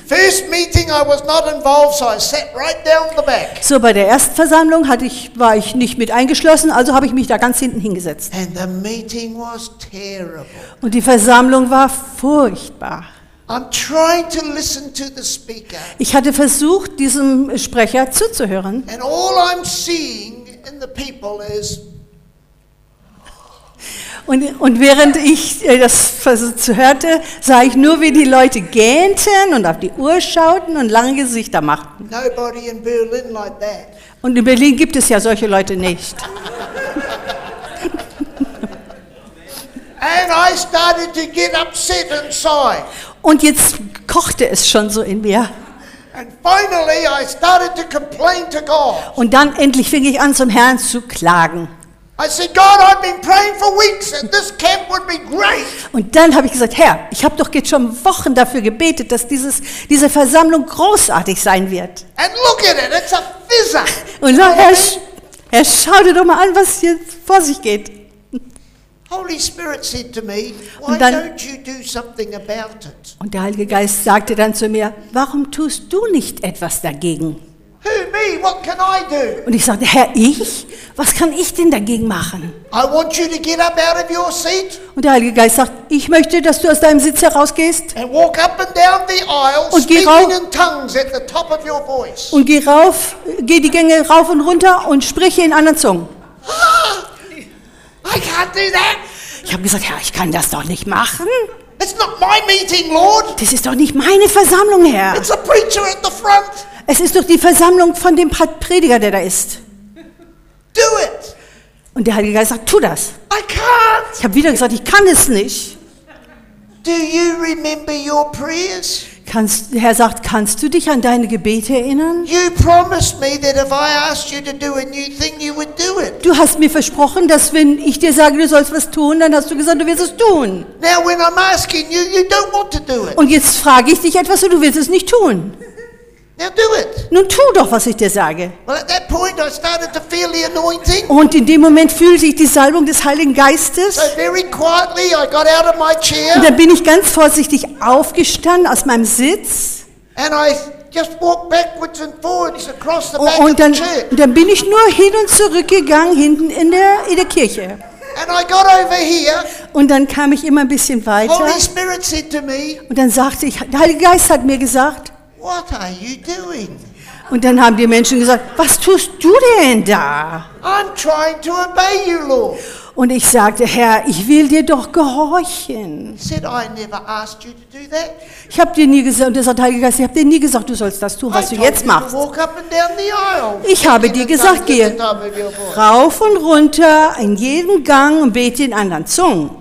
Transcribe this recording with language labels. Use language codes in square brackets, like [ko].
[en] First meeting I was not involved, so I sat right down the back. [de] So bei der ersten Versammlung war ich nicht mit eingeschlossen, also habe ich mich da ganz hinten hingesetzt. [en] And the meeting was terrible. [de] Und die Versammlung war furchtbar. [en] I'm trying to listen to the speaker. [de] Ich hatte versucht, diesem Sprecher zuzuhören. [en] And all I'm seeing in the people is. [de] Und während ich das hörte, sah ich nur, wie die Leute gähnten und auf die Uhr schauten und lange Gesichter machten. [en] Nobody in Berlin like that. [de] Und in Berlin gibt es ja solche Leute nicht. [en] And I started to get upset inside. [de] Und jetzt kochte es schon so in mir. [en] And finally I started to complain to God. [de] Und dann endlich fing ich an, zum Herrn zu klagen. [en] I said, God, I've been praying for weeks and this camp would be great. [de] Und dann habe ich gesagt, Herr, ich habe doch jetzt schon Wochen dafür gebetet, dass diese Versammlung großartig sein wird. [en] And look at it, it's a fizzer. [de] Und Herr, schau dir doch mal an, was jetzt vor sich geht. [en] Holy Spirit said to me, why don't you do something about it? [de] Und der Heilige Geist sagte dann zu mir, warum tust du nicht etwas dagegen? [en] Who, me? What can I do? [de] Und ich sagte, Herr, ich? Was kann ich denn dagegen machen? [en] I want you to get up out of your seat. [de] Und der Heilige Geist sagt, ich möchte, dass du aus deinem Sitz herausgehst [en] and walk up and down the aisle, [de] und geh rauf, [en] speaking in tongues at the top of your voice. [de] Und geh rauf, geh die Gänge rauf und runter und sprich in anderen Zungen. [en] I can't do that. [de] Ich habe gesagt, Herr, ich kann das doch nicht machen. [en] It's not my meeting, Lord. [de] Das ist doch nicht meine Versammlung, Herr. [en] It's a preacher at the front. [de] Es ist doch die Versammlung von dem Prediger, der da ist. [en] Do it. [de] Und der Heilige Geist sagt, tu das. [en] I can't. [de] Ich habe wieder gesagt, ich kann es nicht. [en] Do you remember your prayers? [de] Herr sagt, kannst du dich an deine Gebete erinnern? [en] You promised me that if I asked you to do a new thing, you would do it. [de] Du hast mir versprochen, dass wenn ich dir sage, du sollst was tun, dann hast du gesagt, du wirst es tun. [en] Now when I'm asking you, you don't want to do it. [de] Und jetzt frage ich dich etwas und du willst es nicht tun. [en] Now do it. [de] Nun tu doch, was ich dir sage. [en] Well, at that point I started to feel the anointing. [de] Und in dem Moment fühlte ich die Salbung des Heiligen Geistes. [en] So very quietly I got out of my chair. [de] Und dann bin ich ganz vorsichtig aufgestanden aus meinem Sitz. [en] And I just walked backwards and forwards across the back [de] und dann, [en] of the church. [de] Und dann bin ich nur hin und zurück gegangen hinten in der Kirche. [en] And I got over here. [de] Und dann kam ich immer ein bisschen weiter. [en] Holy Spirit said to me, [de] und dann sagte ich, der Heilige Geist hat mir gesagt, [en] what are you doing? [de] Und dann haben die Menschen gesagt, was tust du denn da? [en] I'm trying to obey you, Lord. [de] Und ich sagte, Herr, ich will dir doch gehorchen. [en] He said, I never asked you to do that. [de] Ich habe dir nie gesagt, und der Heilige Geist, ich habe dir nie gesagt, du sollst das tun, was [en] I [de] du jetzt machst. [en] To walk up and down the aisle. [de] Ich habe dir gesagt, gehe rauf und runter in jedem Gang und bete in anderen Zungen.